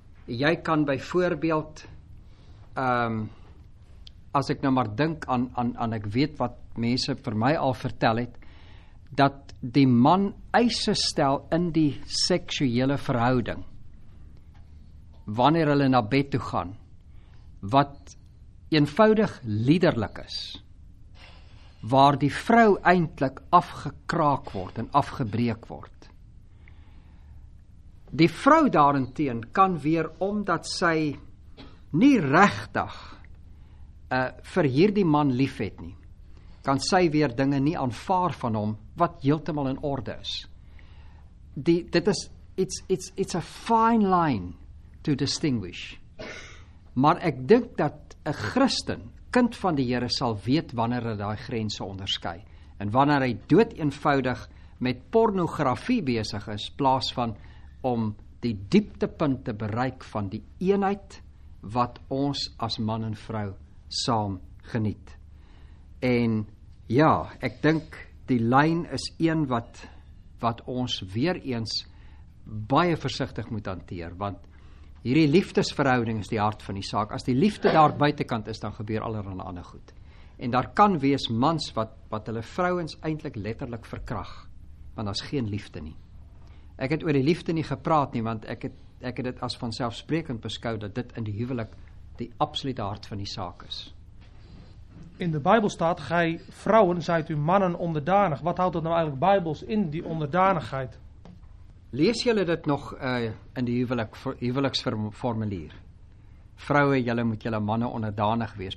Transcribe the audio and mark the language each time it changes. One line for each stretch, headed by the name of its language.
Afrikaans: Jy kan byvoorbeeld, as ek nou maar dink aan ek weet wat mense vir my al vertel het, dat die man eise stel in die seksuele verhouding wanneer hulle na bed toe gaan, wat eenvoudig liederlik is, waar die vrou eintlik afgekraak word en afgebreek word. Die vrou daarenteen kan weer, omdat sy nie regtig vir hierdie man lief het nie, kan sy weer dinge nie aanvaar van hom, wat heeltemal in orde is. Dit is,
English: it's a fine line to distinguish.
Afrikaans: Maar ek dink dat 'n Christen, kind van die Here, sal weet wanneer hy daai grense onderskei, en wanneer hy dood eenvoudig met pornografie besig is, plaas van om die dieptepunt te bereik van die eenheid wat ons as man en vrou saam geniet. En ja, ek dink die lyn is een wat ons weer eens baie versigtig moet hanteer, want hierdie liefdesverhouding is die hart van die saak. As die liefde daar buitenkant is, dan gebeur allerhande ander goed. En daar kan wees mans wat hulle vrouens eintlik letterlik verkrag, want daar's geen liefde nie. Ek het oor die liefde nie gepraat nie, want ek het dit as vanselfsprekend beskou dat dit in die huwelik die absolute hart van die saak is.
Dutch: In de Bijbel staat, gij vrouwen, zijt u mannen onderdanig. Wat houdt dat nou eigenlijk Bijbels in, die onderdanigheid?
Afrikaans: Lees julle dit nog in die huweliksformulier? Vrouwen, julle moet julle mannen onderdanig wees.